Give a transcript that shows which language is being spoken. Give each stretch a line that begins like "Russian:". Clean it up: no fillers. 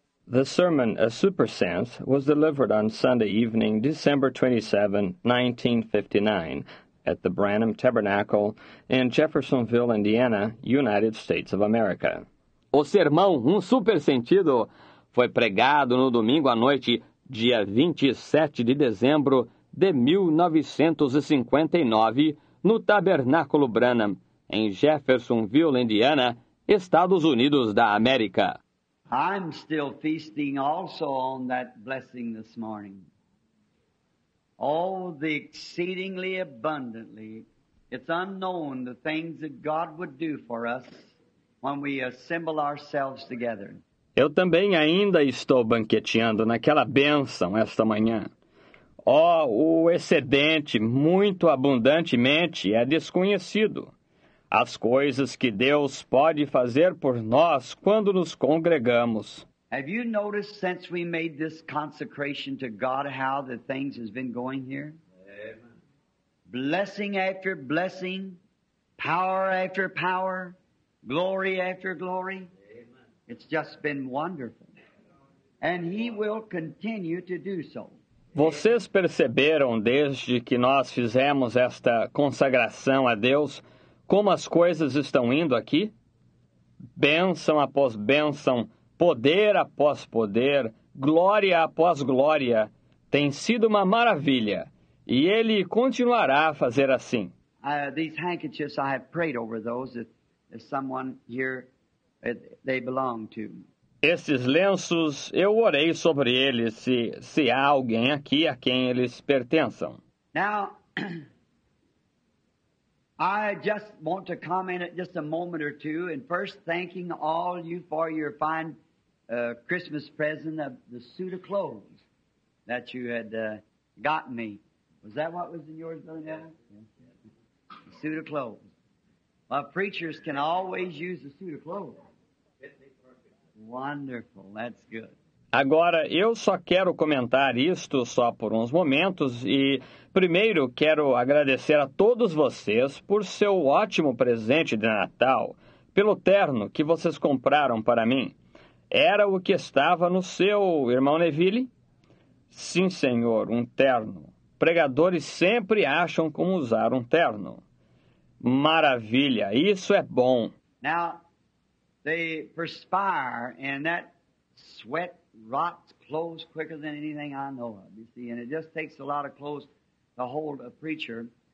English: The sermon, A Super Sense, was delivered on Sunday evening, December 27, 1959, at the Branham Tabernacle in Jeffersonville, Indiana, United States of America.
Portuguese: O sermão, Um Super Sentido, foi pregado no domingo à noite, dia 27 de dezembro de 1959, no Tabernáculo Branham, em Jeffersonville, Indiana, Estados Unidos da América.
English: I'm still feasting also on that blessing this morning. Oh, the exceedingly abundantly, it's unknown the things that God would do for us when we assemble ourselves together.
Portuguese: Eu também ainda estou banqueteando naquela bênção esta manhã. Oh, o excedente, muito abundantemente, é desconhecido. As coisas que Deus pode fazer por nós quando nos congregamos.
English: Have you noticed since we made this consecration to God how the things has been going here? Amen. Blessing after blessing, power after power, glory after glory. Amen. It's just been wonderful. And He will continue to do so.
Portuguese: Vocês perceberam desde que nós fizemos esta consagração a Deus como as coisas estão indo aqui? Bênção após bênção, poder após poder, glória após glória. Tem sido uma maravilha. E Ele continuará a fazer assim.
English: These handkerchiefs, I have prayed over those if someone here they belong to.
Portuguese: Esses lenços, eu orei sobre eles se há alguém aqui a quem eles pertençam.
English: Now, I just want to comment at just a moment or two, and first thanking all you for your fine Christmas present of the suit of clothes that you had gotten me. Was that what was in yours, Brother Neville? Yeah. The suit of clothes. Well, preachers can always use a suit of clothes. Wonderful, that's good.
Portuguese: Agora, eu só quero comentar isto só por uns momentos e, primeiro, quero agradecer a todos vocês por seu ótimo presente de Natal, pelo terno que vocês compraram para mim. Era o que estava no seu, irmão Neville? Sim, senhor, um terno. Pregadores sempre acham como usar um terno. Maravilha, isso é bom.
English: Now, they perspire and that sweat rots clothes quicker than anything I know of, you see. And it just takes a lot of clothes to hold a preacher.